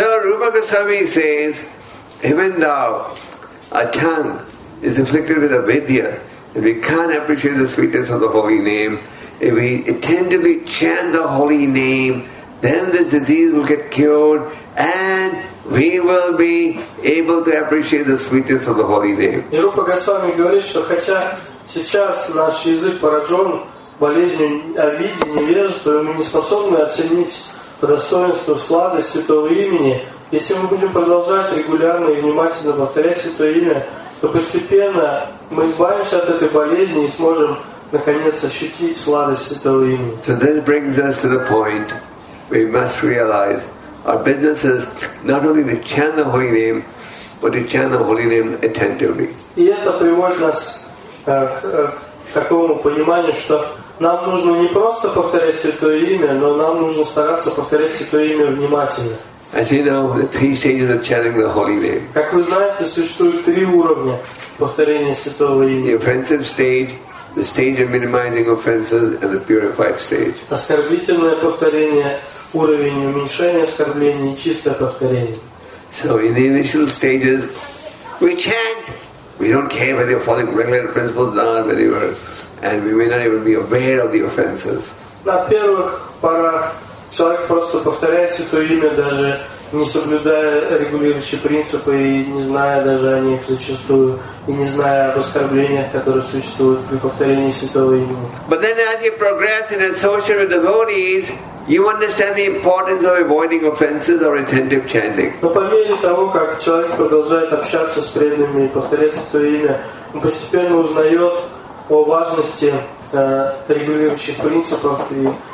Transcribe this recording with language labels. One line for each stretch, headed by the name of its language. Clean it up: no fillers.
English: So Rupa Goswami says, even though a tongue is afflicted with avidya, and we can't appreciate the sweetness of the holy name, if we attentively chant the holy name, then this disease will get cured, and we will be able to appreciate the sweetness of the holy name.
Russian: И Рупа Госвами говорит, что хотя сейчас наш язык поражен болезнью авидьи, невежества, и мы не способны оценить достоинство, сладость святого имени, если мы будем продолжать регулярно и внимательно повторять святое имя, то постепенно мы избавимся от этой болезни и сможем наконец ощутить сладость святого имени.
English: So this brings us to the point we must realize our business is not only to chant the holy name, but to chant the holy name attentively.
Russian: И это приводит нас к такому пониманию, что нам нужно не просто повторять святое имя, но нам нужно стараться повторять святое имя внимательно.
English: As you know, the three stages of chanting the holy name.
Russian: Как вы знаете, существует три уровня повторения святого имени.
English: The offensive stage, the stage of minimizing offenses, and the purified stage.
Russian: Оскорбительное повторение, уровень уменьшения оскорблений, и чистое повторение.
English: So in the initial stages, we chant. We don't care whether you're following regulated principles or not, whether you're, and we may not even be aware of the offenses.
Russian: На первых порах человек просто повторяет святое имя, даже не соблюдая регулирующие принципы и не зная даже о них зачастую, и не зная об оскорблениях, которые существуют при повторении святого имени.
English: But then as you progress in association with devotees, you understand the importance of avoiding offenses or attentive chanting.
Russian: Но по мере того, как человек продолжает общаться с преданными и повторять святое имя, он постепенно узнает о важности регулирующих принципов и